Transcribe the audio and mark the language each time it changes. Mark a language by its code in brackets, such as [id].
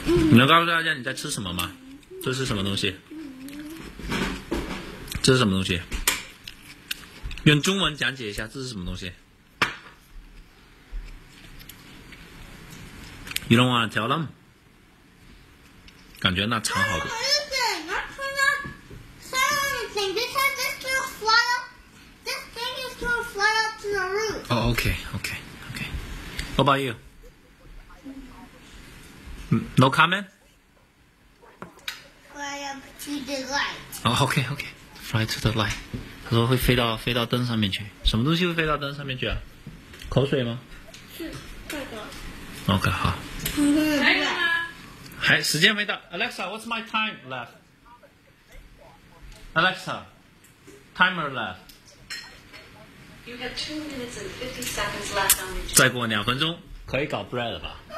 [zh] 你能告诉大家你在吃什么吗？这是什么东西？这是什么东西？用中文讲解一下，这是什么东西？ [en] You don't want to tell them？ [zh] 感觉那肠好多。我是怎么吃的？上面整个菜 [en] just to fly up， this thing is to fly up to the roof。 Oh， okay. What about you？ No comment. Fly up to the light. Oh, okay. Fly to the light. [zh] 他说会飞到灯上面去。什么东西会飞到灯上面去啊？口水吗？是，这个。 [en] Okay， 好。 [zh] 还有吗？还时间没到。Alexa， [en] what's my time left？ Alexa， timer left。 You have 2 minutes and 50 seconds left on your. [zh] 再过两分钟可以搞 bread 了吧？